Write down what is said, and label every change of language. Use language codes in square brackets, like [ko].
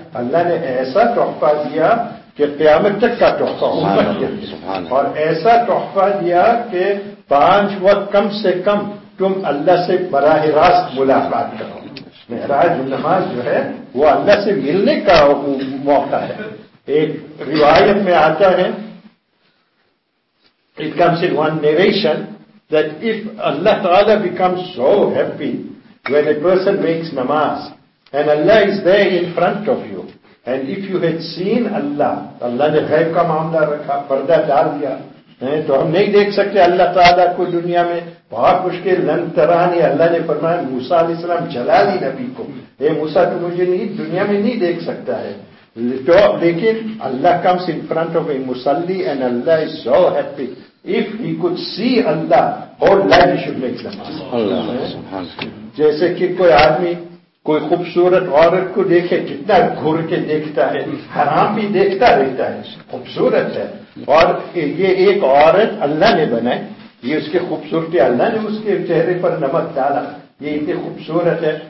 [ur] اللہ نے ایسا تحفہ دیا کہ قیامت تک کا تحفہ امت کے لیے, اور ایسا تحفہ دیا کہ پانچ وقت کم سے کم تم اللہ سے براہ راست ملاقات کرو. معراج النماز جو ہے وہ اللہ سے ملنے کا موقع ہے. ایک روایت میں آتا ہے, [en] it comes in one narration that if Allah Ta'ala becomes so happy when a person makes namaz and Allah is there in front of you and if you had seen Allah, [ur] Allah نے غیب کا معاملہ رکھا پردہ ڈال دیا تو ہم نہیں دیکھ سکتے اللہ تعالیٰ کو دنیا میں, بہت مشکل لن ترانی. اللہ نے فرمایا موسیٰ علیہ السلام جلالی نبی کو, اے موسیٰ تو مجھے نہیں دنیا میں نہیں دیکھ سکتا ہے تو, لیکن اللہ [en] comes in front of a musalli and Allah is so happy. If he could see Allah, whole life he should make namaz. [ur] جیسے کہ کوئی آدمی کوئی خوبصورت عورت کو دیکھے کتنا گھور کے دیکھتا ہے, حرام بھی دیکھتا رہتا ہے, خوبصورت ہے اور یہ ایک عورت اللہ نے بنائی, یہ اس کی خوبصورتی اللہ نے اس کے چہرے پر نمک ڈالا, یہ اتنی خوبصورت ہے.